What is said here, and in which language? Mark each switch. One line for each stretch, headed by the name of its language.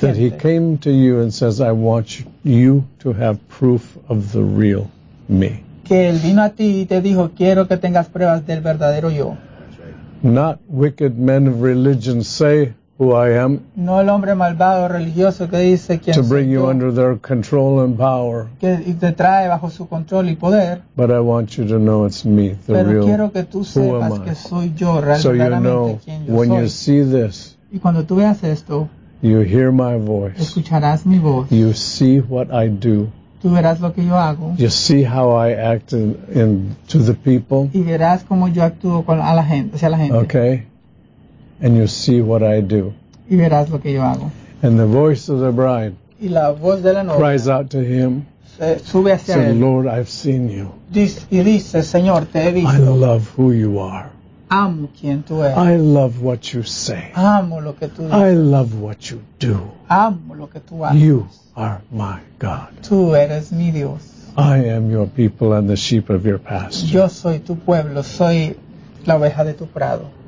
English: That he came to you and says, I want you to have proof of the real me.
Spanish: Que él vino a ti y te dijo, quiero que tengas pruebas del verdadero yo.
English: Not wicked men of religion say who I am.
Spanish: No el hombre malvado religioso que dice quién soy yo.
English: To bring you under their control and power.
Spanish: Que te trae bajo su control y poder.
English: But I want you to know it's me, the
Spanish: pero
English: real.
Spanish: Pero quiero que tú sepas que soy yo realmente
English: so you know,
Spanish: quien yo soy.
English: When you see this.
Spanish: Y cuando tú veas esto.
English: You hear my voice.
Spanish: Escucharás mi voz.
English: You see what I do.
Spanish: Tú verás lo que yo hago.
English: You see how I act in to the people.
Spanish: Y verás cómo yo actúo con a la gente, hacia la gente.
English: Okay. And you see what I do.
Spanish: Y verás lo que yo hago.
English: And the voice of the bride.
Spanish: Y la voz de la novia.
English: Cries out to him.
Spanish: Sube hacia
English: say,
Spanish: él.
English: Lord, I've seen you.
Spanish: Y dice, Señor, te he visto.
English: I love who you are.
Spanish: Amo quien tú eres.
English: I love what you say.
Spanish: Amo lo que tú dices.
English: I love what you do.
Spanish: Amo lo que tú haces.
English: You are my God.
Spanish: Tú eres mi Dios.
English: I am your people and the sheep of your pasture.
Spanish: Yo soy tu pueblo, soy la oveja de tu prado.